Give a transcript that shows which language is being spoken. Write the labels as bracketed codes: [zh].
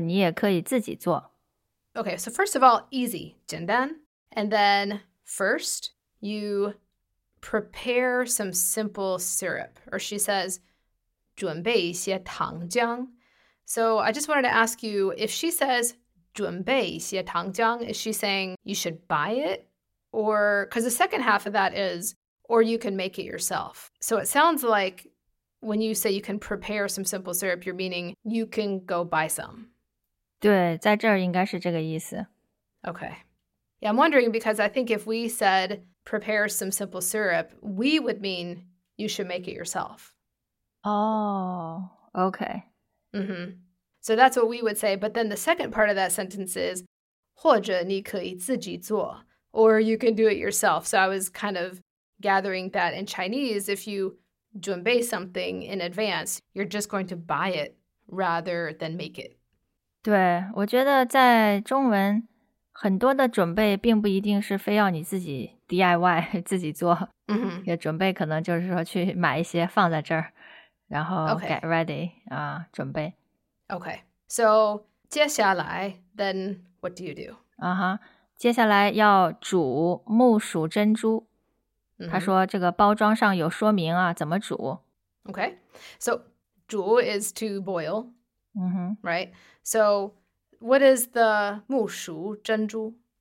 [zh] 第二个女孩觉得很简单，首先准备一些糖浆，或者你也可以自己做。Okay, [en] so first of all, easy, 简单. And then first, you prepare some simple syrup. Or she says, [zh] 准备一些糖浆. [en] So I just wanted to ask you, if she says [zh] 准备一些糖浆, [en] is she saying you should buy it? Or, because the second half of that is, or you can make it yourself. So it sounds like when you say you can prepare some simple syrup, you're meaning you can go buy some. [zh] 对，在这儿应该是这个意思。Okay. [en] Yeah, I'm wondering because I think if we said prepare some simple syrup, we would mean you should make it yourself. Oh, okay. Mm-hmm. So that's what we would say. But then the second part of that sentence is [zh] 或者你可以自己做, [en] or you can do it yourself. So I was kind of gathering that in Chinese, if you 准备 something in advance, you're just going to buy it rather than make it. [zh] 对，我觉得在中文很多的准备并不一定是非要你自己DIY自己做，也准备可能就是说去买一些放在这儿，然后 [en] get okay. ready, 准备。 Okay, so 接下来, then what do you do? [zh] 接下来要煮木薯珍珠。 Mm-hmm. 他说这个包装上有说明啊，怎么煮？ [en] Okay, so 煮 is to boil, mm-hmm. right? So what is the 木薯珍珠?